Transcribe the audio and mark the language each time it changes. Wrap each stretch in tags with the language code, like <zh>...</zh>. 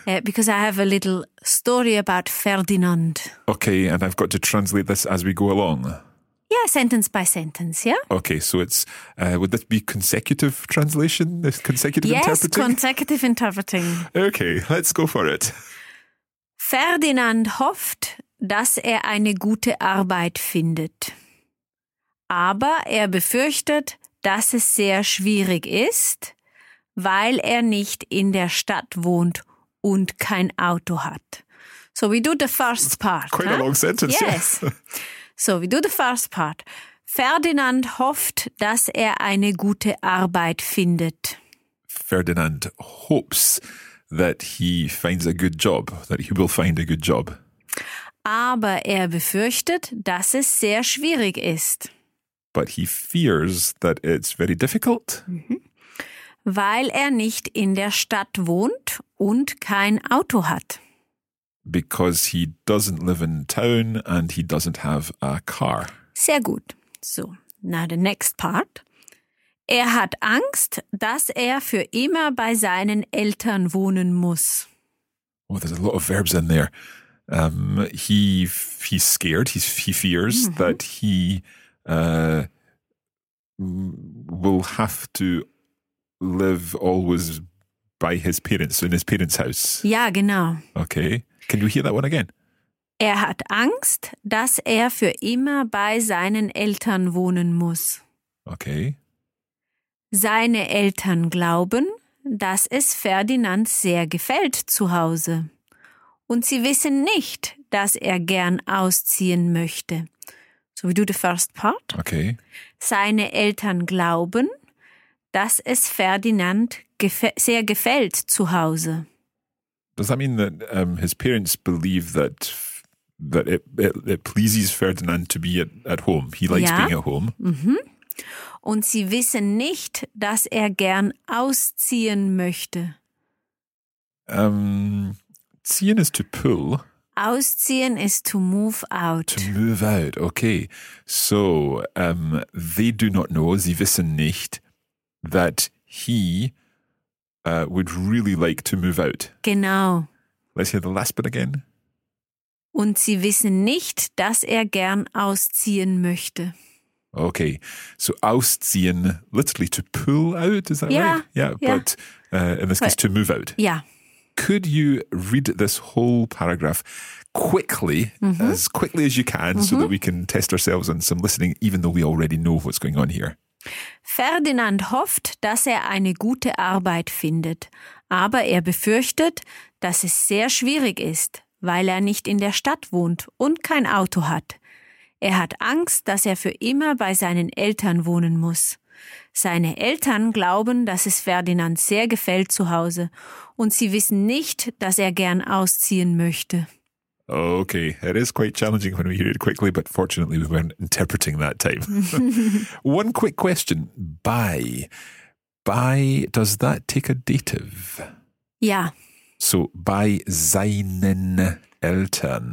<en>Because I have a little story about Ferdinand. Okay, and I've got to translate this as we go along. Yeah, sentence by sentence, yeah. Okay, so it's, would this be consecutive translation? Consecutive yes, interpreting? Yes, consecutive interpreting. Okay, let's go for it.</en> <de>Ferdinand hofft, dass er eine gute Arbeit findet. Aber er befürchtet, dass es sehr schwierig ist, weil er nicht in der Stadt wohnt und kein Auto hat.</de> <en>So we do the first part. Quite a long sentence. Yes. So we do the first part.</en> <de>Ferdinand hofft, dass er eine gute Arbeit findet.</de> <en>Ferdinand hopes that he finds a good job, that he will find a good job.</en> <de>Aber er befürchtet, dass es sehr schwierig ist.</de> <en>But he fears that it's very difficult. Mm-hmm.</en> <de>Weil er nicht in der Stadt wohnt und kein Auto hat.</de> <en>Because he doesn't live in town and he doesn't have a car.</en> <de>Sehr gut.</de> <en>So, now the next part.</en> <de>Er hat Angst, dass er für immer bei seinen Eltern wohnen muss.</de> <en>Oh, there's a lot of verbs in there. He fears mm-hmm. that he... will have to live always by his parents, in his parents' house.</en> <de>Ja, genau.</de> <en>Okay. Can you hear that one again?</en> <de>Er hat Angst, dass er für immer bei seinen Eltern wohnen muss.</de> <en>Okay.</en> <de>Seine Eltern glauben, dass es Ferdinand sehr gefällt zu Hause. Und sie wissen nicht, dass er gern ausziehen möchte.</de> <en>So we do the first part. Okay.</en> <de>Seine Eltern glauben, dass es Ferdinand sehr gefällt zu Hause.</de> <en>Does that mean that his parents believe that it pleases Ferdinand to be at home? He likes</en> <de>ja.</de> <en>Being at home. Mhm.</en> <de>Und sie wissen nicht, dass er gern ausziehen möchte.</de> <en>Ziehen is to pull. Ausziehen is to move out. To move out, okay. So, they do not know,</en> <de>sie wissen nicht,</de> <en>that he would really like to move out.</en> <de>Genau.</de> <en>Let's hear the last bit again.</en> <de>Und sie wissen nicht, dass er gern ausziehen möchte.</de> <en>Okay, so ausziehen, literally to pull out, is that yeah. right? Yeah, yeah. But in this case, to move out. Yeah. Could you read this whole paragraph quickly, mm-hmm. as quickly as you can, mm-hmm. so that we can test ourselves on some listening, even though we already know what's going on here?</en> <de>Ferdinand hofft, dass er eine gute Arbeit findet, aber er befürchtet, dass es sehr schwierig ist, weil er nicht in der Stadt wohnt und kein Auto hat. Er hat Angst, dass er für immer bei seinen Eltern wohnen muss. Seine Eltern glauben, dass es Ferdinand sehr gefällt zu Hause und sie wissen nicht, dass er gern ausziehen möchte.</de> <en>Okay, it is quite challenging when we hear it quickly, but fortunately we weren't interpreting that time. One quick question. By. By, does that take a dative?</en> <de>Ja.</de> <en>So, by</en> <de>seinen Eltern.</de>